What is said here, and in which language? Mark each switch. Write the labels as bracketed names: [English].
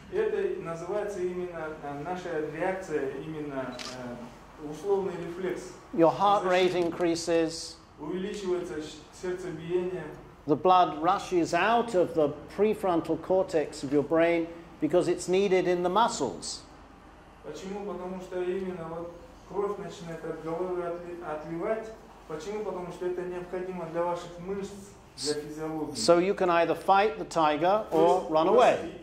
[Russian] Это называется именно наша реакция, именно условный рефлекс. [English] Your heart rate increases. [Russian] Увеличивается сердцебиение. [English] The blood rushes out of the prefrontal cortex of your brain because it's needed in the muscles. [Russian] Почему? Потому что именно вот кровь начинает от головы отливать. Почему? Потому что это необходимо для ваших мышц. [English] So you can either fight the tiger or run away.